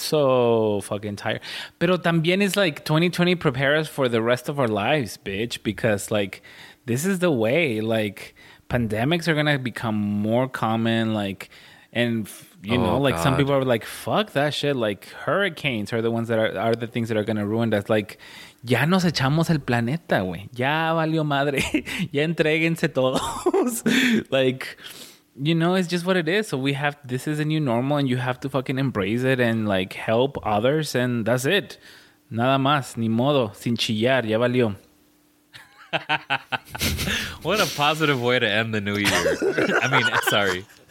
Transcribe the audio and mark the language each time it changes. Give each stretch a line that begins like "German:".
English: So fucking tired.
Spanish: Pero también es
English: like 2020 prepare us for the rest of our lives, bitch, because like this is the way. Like pandemics are going to become more common. Like, and you know, like God. Some people are like, fuck that shit. Like hurricanes are the ones that are the things that are going to ruin us.
Spanish: Like, ya nos echamos el planeta, güey. Ya valió madre. Ya entreguense todos.
English: Like, you know, it's just what it is. So we have, this is a new normal and you have to fucking embrace it and like help others. And that's it.
Spanish: Nada más. Ni modo. Sin chillar. Ya valió.
English: What a positive way to end the new year. I mean, sorry.